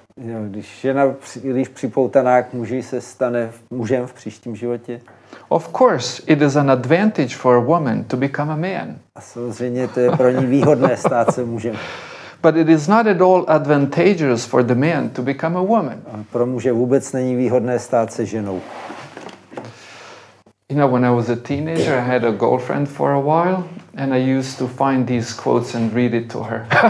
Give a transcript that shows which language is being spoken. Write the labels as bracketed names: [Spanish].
[Czech] Jo, když žena příliš připoutaná k muži, se stane mužem v příštím životě. [English] Of course, it is an advantage for a woman to become a man. [Czech] A samozřejmě to je pro ní výhodné stát se mužem. [English] But it is not at all advantageous for the man to become a woman. [Czech] A pro muže vůbec není výhodné stát se ženou. [English] You know, when I was a teenager, I had a girlfriend for a while, and I used to find these quotes and read it to her.